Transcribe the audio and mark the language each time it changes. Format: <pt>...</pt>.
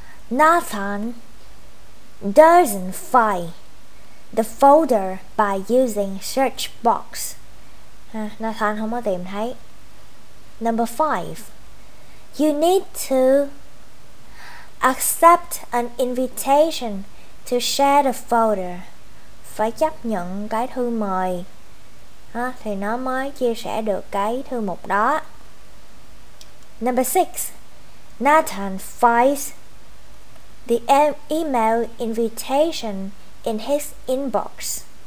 <en>Nathan doesn't find the folder by using search box.</en> <vi>Ha, Nathan không có tìm thấy.</vi> <en>Number 5. You need to accept an invitation to share the folder.</en> <vi>Phải chấp nhận cái thư mời ha, thì nó mới chia sẻ được cái thư mục đó.</vi> <en>Number 6. Nathan finds the email invitation in his inbox.</en>